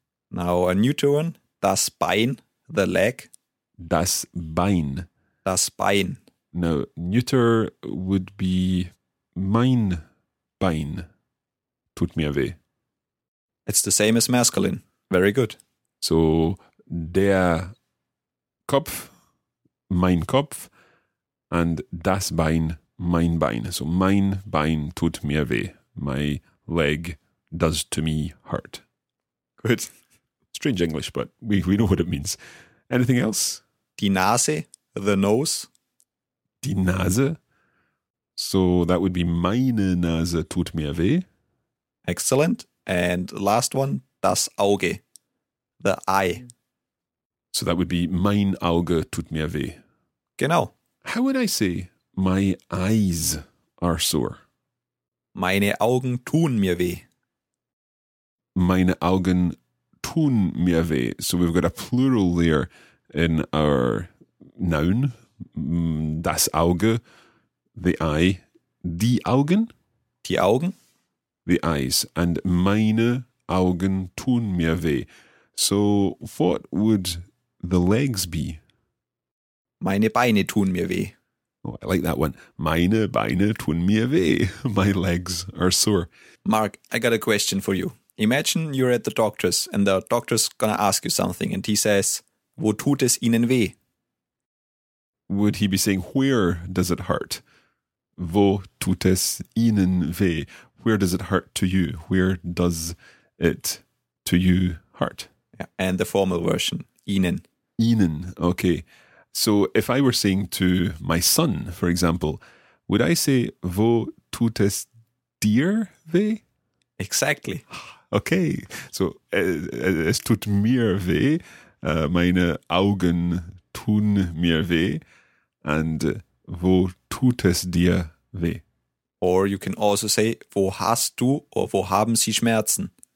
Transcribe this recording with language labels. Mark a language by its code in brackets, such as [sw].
[en] Now a neuter one, das Bein, the leg. [de] Das Bein. Das Bein. [en] Now, neuter would be [de] mein Bein tut mir weh. [en] It's the same as masculine. Very good. [de] So, der Kopf, mein Kopf, and das Bein, mein Bein. So, mein Bein tut mir weh. [en] My leg does to me hurt. Good. Strange English, but we know what it means. Anything else? [de] Die Nase, [en] the nose. [de] Die Nase. [en] So that would be [de] meine Nase tut mir weh. [en] Excellent. And last one, das Auge, the eye. So that would be [de] mein Auge tut mir weh. Genau. [en] How would I say my eyes are sore? [de] Meine Augen tun mir weh. Meine Augen tun mir weh. [en] So we've got a plural there in our noun. [de] Das Auge, [en] the eye, [de] die Augen. Die Augen. [en] The eyes. [de] And meine Augen tun mir weh. [en] So what would the legs be? [de] Meine Beine tun mir weh. [en] Oh, I like that one. [de] Meine Beine tun mir weh. [en] My legs are sore. Mark, I got a question for you. Imagine you're at the doctor's and the doctor's gonna ask you something and he says, [de] wo tut es Ihnen weh? [en] Would he be saying, where does it hurt? [de] Wo tut es Ihnen weh? [en] Where does it hurt to you? Where does it to you hurt? Yeah. And the formal version, Ihnen. [de] Ihnen, okay. [en] So if I were saying to my son, for example, would I say, [de] wo tut es dir weh? [en] Exactly. [de] Okay, so es tut mir weh, meine Augen tun mir weh, and wo tut es dir weh? [en] Or you can also say, [de] wo hast du or wo haben sie Schmerzen?